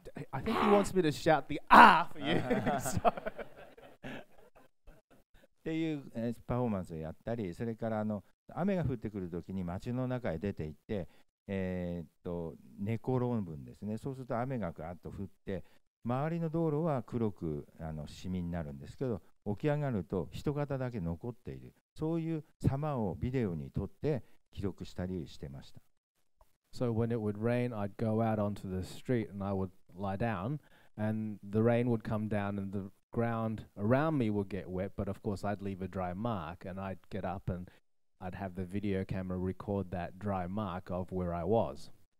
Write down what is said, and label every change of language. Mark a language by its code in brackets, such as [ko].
[en] I think he wants me to shout the ah for you. [ja] っていうパフォーマンスをやったり、それから雨が降ってくるときに街の中へ出て行って、寝転ぶんですね。そうすると雨がガーッと降って、周りの道路は黒く染みになるんですけど、起き上がると人型だけ残っている。そういう様をビデオに撮って記録したりしてました。 [en] So when it would rain, I'd go out onto the street and I would lie down And the rain would come down and the ground around me would get wet, but of course I'd leave a dry mark, and I'd get up and I'd have the video camera record that dry mark of where I was.